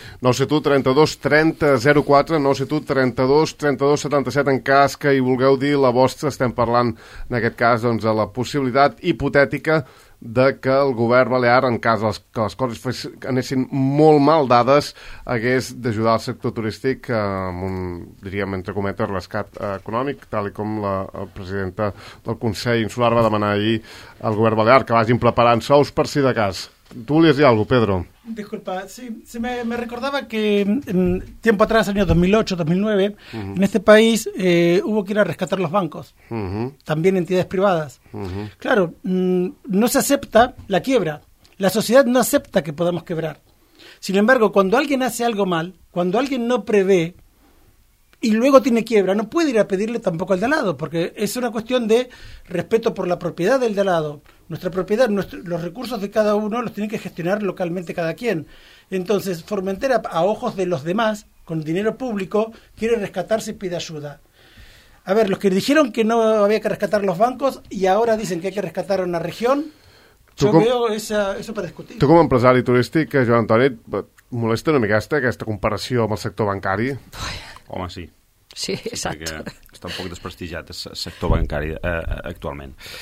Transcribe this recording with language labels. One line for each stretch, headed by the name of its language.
Catalan: 972 30 04, 972 32 77, en cas que hi vulgueu dir la vostra, estem parlant, en aquest cas, doncs, de la possibilitat hipotètica de que el govern balear, en cas que les coses anessin molt mal dades, hagués d'ajudar el sector turístic amb un, diríem, entre cometes, rescat econòmic, tal com la presidenta del Consell Insular va demanar ahir al govern balear, que vagin preparant sous per si de cas.
Spanish: Tú le decías algo, Pedro. Disculpa, sí, me recordaba que tiempo atrás, año 2008, 2009, uh-huh. en este país hubo que ir a rescatar los bancos, uh-huh. también entidades privadas. Uh-huh. Claro, no se acepta la quiebra, la sociedad no acepta que podamos quebrar. Sin embargo, cuando alguien hace algo mal, cuando alguien no prevé y luego tiene quiebra, no puede ir a pedirle tampoco al de al lado, porque es una cuestión de respeto por la propiedad del de al lado. Nuestra propiedad, los recursos de cada uno los tiene que gestionar localmente cada quien. Entonces, Formentera, a ojos de los demás, con dinero público, quiere rescatarse y pide ayuda. A ver, los que dijeron que no había que rescatar los bancos y ahora dicen que hay que rescatar una región, eso para discutir. Tú como
Catalan: empresari turístic, Joan Antoni, et molesta una miqueta aquesta comparació amb el sector bancari? Home, sí. Sí, exacte. Està un poc desprestigiat el sector bancari actualment.